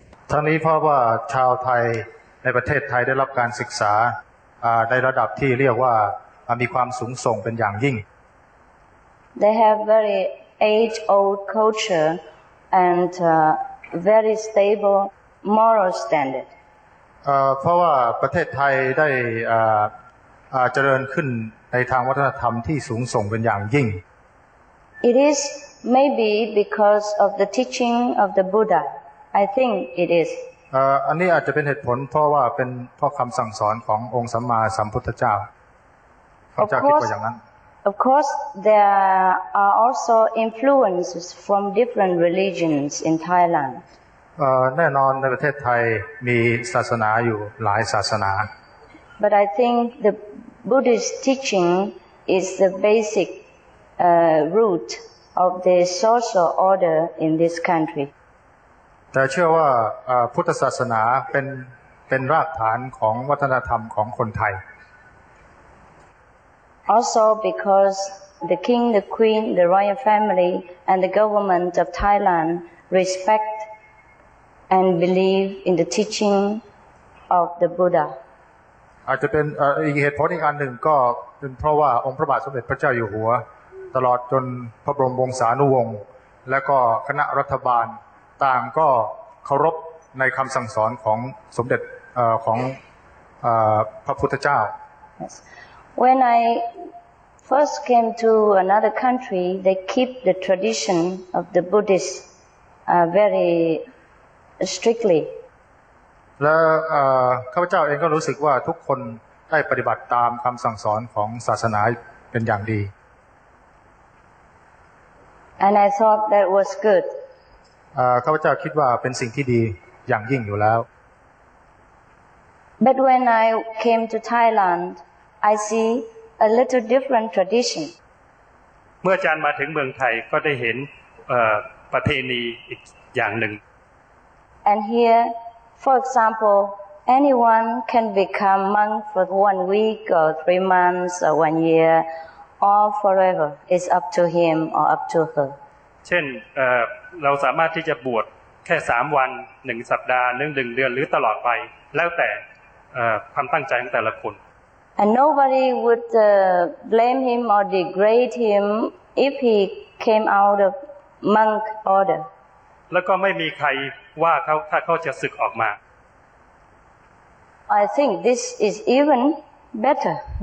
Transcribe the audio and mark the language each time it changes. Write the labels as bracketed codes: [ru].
[th] ทั้งนี้เพราะว่าชาวไทยในประเทศไทยได้รับการศึกษาในระดับที่เรียกว่ามีความสูงส่งเป็นอย่างยิ่ง [en] They have very age-old culture and very stable moral standard. [th] เพราะว่าประเทศไทยได้เจริญขึ้นในทางวัฒนธรรมที่สูงส่งเป็นอย่างยิ่ง [en] It is maybe because of the teaching of the Buddha I think it is [th] อันนี้อาจจะเป็นเหตุผลเพราะว่าเป็นเพราะคำสั่งสอนขององค์สัมมาสัมพุทธเจ้าพระเจ้าคิดว่าอย่างนั้น [en] Of course there are also influences from different religions in Thailand [th] แน่นอนในประเทศไทยมีศาสนาอยู่หลายศาสนา [en] But I think the Buddhist teaching is the basic root of the social order in this country [th] แต่เชื่อว่าพุทธศาสนาเป็นรากฐานของวัฒนธรรมของคนไทย [en] Also because the king the queen the royal family and the government of Thailand respectand believe in the teaching of the Buddha [th] อาจจะเป็นอีกเหตุผลอีกอันหนึ่งก็เป็นเพราะว่าองค์พระบาทสมเด็จพระเจ้าอยู่หัวตลอดจนพระบรมวงศานุวงศ์และก็คณะรัฐบาลต่างก็เคารพในคำสั่งสอนของสมเด็จของพระพุทธเจ้า [en] When I first came to another country, they keep the tradition of the Buddhists very strictly. [th] และข้าพเจ้าเองก็รู้สึกว่าทุกคนได้ปฏิบัติตามคำสั่งสอนของศาสนาเป็นอย่างดี [en] And I thought that was good. [th] ข้าพเจ้าคิดว่าเป็นสิ่งที่ดีอย่างยิ่งอยู่แล้ว [en] But when I came to Thailand, I see a little different tradition. [th] เมื่ออาจารย์มาถึงเมืองไทยก็ได้เห็นประเพณีอีกอย่างหนึ่ง [en] And here, for example, anyone can become monk for 1 week or 3 months or 1 year. All forever is up to him or up to her. [th] เช่นเราสามารถที่จะบวชแค่3วัน1สัปดาห์1เดือนหรือตลอดไปแล้วแต่ความตั้งใจของแต่ละคน [en] And nobody would blame him or degrade him if he came out of monk order. [th] แล้วก็ไม่มีใครว่าเขาถ้าเขาจะสึกออกมา [en] I think this is even better.